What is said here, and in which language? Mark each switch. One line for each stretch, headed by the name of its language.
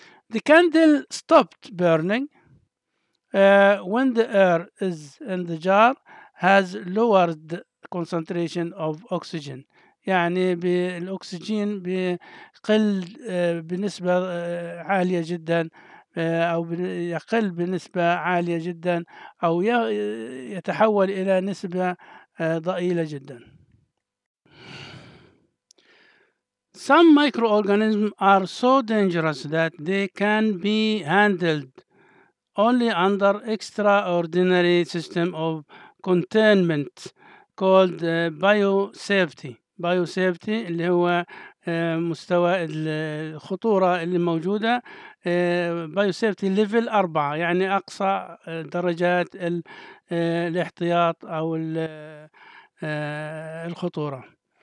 English: The candle stopped burning when the air is in the jar has lowered concentration of oxygen.
Arabic: يعني بالأكسجين بقل بنسبة عالية جدا أو يقل بنسبة عالية جدا أو يتحول إلى نسبة ضئيلة جدا.
English: Some microorganisms are so dangerous that they can be handled only under extraordinary system of containment called biosafety.
Arabic: Biosafety اللي هو مستوى الخطورة اللي موجودة biosafety level 4 يعني أقصى درجات الاحتياط أو الخطورة.